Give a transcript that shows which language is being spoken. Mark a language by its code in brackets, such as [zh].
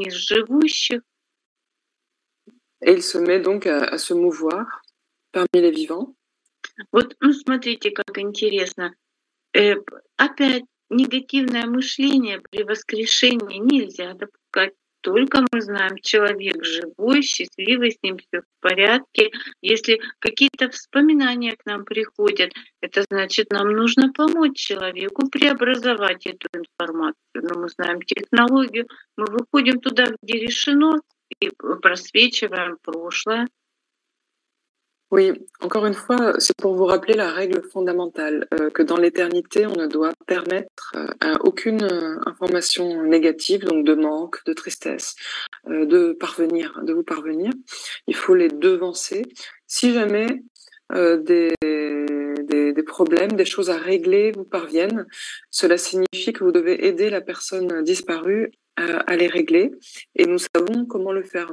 [fr] Et il se met donc à se mouvoir parmi les vivants. [ru] Вот, ну, смотрите, как интересно. Опять негативное мышление при воскрешении нельзя допускать. Только мы знаем, человек живой, счастливый, с ним все в порядке. Если какие-то вспоминания к нам приходят, это значит, нам нужно помочь человеку преобразовать эту информацию. Но мы знаем технологию, мы выходим туда, где решено, и просвечиваем прошлое. [fr] Oui, encore une fois, c'est pour vous rappeler la règle fondamentale, que dans l'éternité, on ne doit permettre aucune information négative, donc de manque, de tristesse, de vous parvenir. Il faut les devancer. Si jamais des problèmes, des choses à régler vous parviennent, cela signifie que vous devez aider la personne disparue à les régler, et nous savons comment le faire.